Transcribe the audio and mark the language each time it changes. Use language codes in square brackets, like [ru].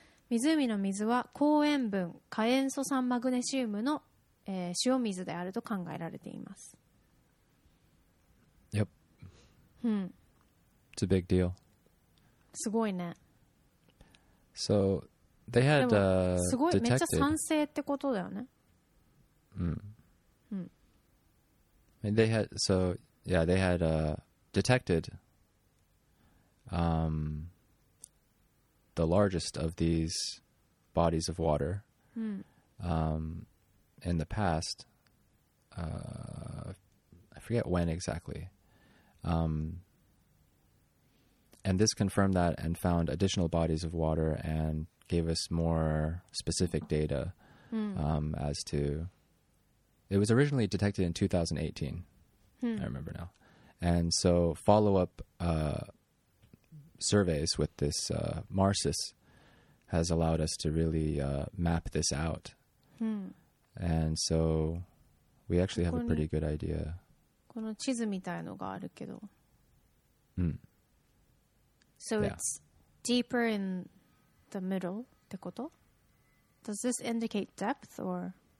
[ja] 湖の水は高塩分火塩素酸マグネシウムの塩水であると考えられています。 [en] Yep. Hmm. It's a big deal. [ja] すごいね。 [en] So they had detected. [ja] すごい、めっちゃ酸性ってことだよね。 Hmm. Hmm. [en] They had so yeah they had detected the largest of these bodies of water. Hmm. In the past, I forget when exactly, and this confirmed that and found additional bodies of water and gave us more specific data as to... It was originally detected in 2018, I remember now. And so follow-up surveys with this MARSIS has allowed us to really map this out. And so we actually have a pretty good idea. [ja] この地図みたいのがあるけど。 [en] So it's deeper in the middle [ja] ってこと? [en] Does this indicate depth or...?